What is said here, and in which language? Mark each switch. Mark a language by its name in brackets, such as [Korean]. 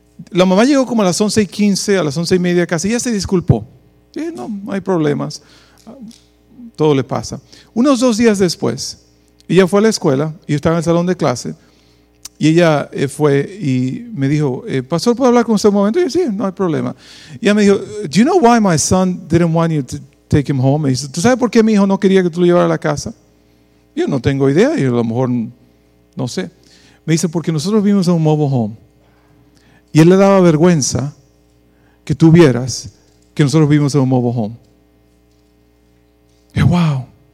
[Spanish] La mamá llegó como a las 11:15, a las 11:30 casi, y ya se disculpó. Dije, no, no hay problemas. Todo le pasa. Unos 2 días después, ella fue a la escuela y estaba en el salón de clase. Y ella fue y me dijo, pastor, ¿puedo hablar con usted un momento? Y yo, sí, no hay problema. [English] Y ella me dijo, do you know why my son didn't want you to take him home? [Spanish] Y dice, ¿tú sabes por qué mi hijo no quería que tú lo llevara a la casa? Yo no tengo idea, y a lo mejor no sé. Me dice, porque nosotros vivimos en un mobile home. Y él le daba vergüenza que tú vieras que nosotros vivimos en un mobile home. Y wow.